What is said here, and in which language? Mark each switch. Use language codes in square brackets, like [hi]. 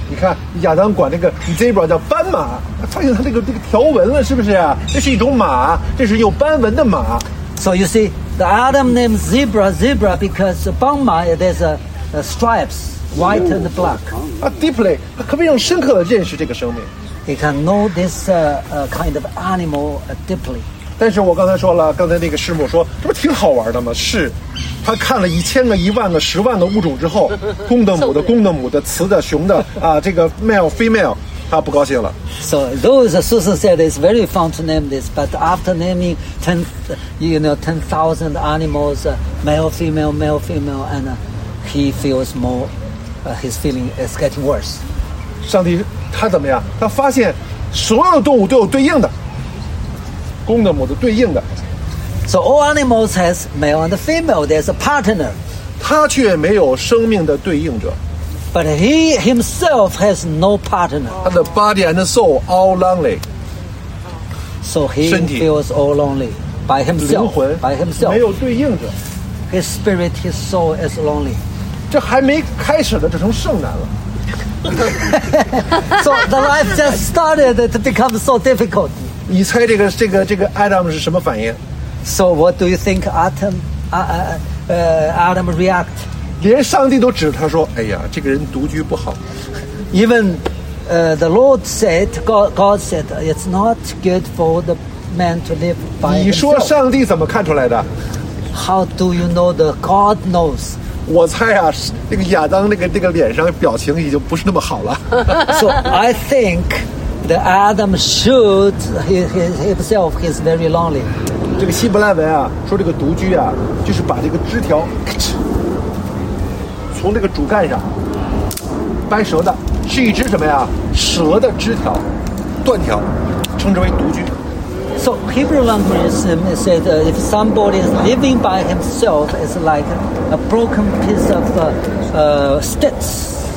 [zh] 你看亚当管那个 zebra 叫斑马，发现他这个条纹了，是不是啊？这是一种马，这是有斑纹的马。 [en] So you see. The Adam named zebra because Bangma there's a stripes white and black. Deeply, [zh] 可不可以深刻地认识这个生命 [en] ？He can know this kind of animal deeply. [zh] 但是我刚才说了，刚才那个师母说，这不挺好玩的吗？是，他看了一千个、一万个、十万的物种之后，公的、母的、公的、母的、雌的、雄的啊，这个 [en] male、female， [zh] 他不高兴了。 [en] So those Susan said it's very fun to name this, but after naming 10,000 animals, male, female, and he feels more, his feeling is getting worse. [zh] 上帝他怎么样？他发现所有动物都有对应的，公的母的对应的。 [en] So all animals has male and female. There's a partner. [zh] 他却没有生命的对应者。 [en] But he himself has no partner. [zh] 他的 [en] body and soul all lonely. So he feels all lonely by himself. [zh] 灵魂 [en] by himself [zh] 没有对应者。 [en] His spirit, his soul is lonely. [zh] 这还没开始呢，这成圣难了。 [en] So the life just started to become so difficult. [zh] 你猜这个 Adam 是什么反应？ [en] So what do you think Adam react? [zh] 连上帝都指他说，哎呀，这个人独居不好。 [en] Even the Lord said, God said, it's not good for the man to live by himself. [zh] 你说上帝怎么看出来的？ [en] How do you know that God knows? [zh] 我猜啊，那个亚当那个脸上表情已经不是那么好了。 [en] So I think that Adam showed himself he's very lonely. [zh] 这个希伯来文啊，说这个独居啊，就是把这个枝条从这个主干上掰折的，是一只什么呀？蛇的枝条，断条，称之为独居。 [en] So Hebrew language said if somebody is living by himself, it's like a broken piece of sticks.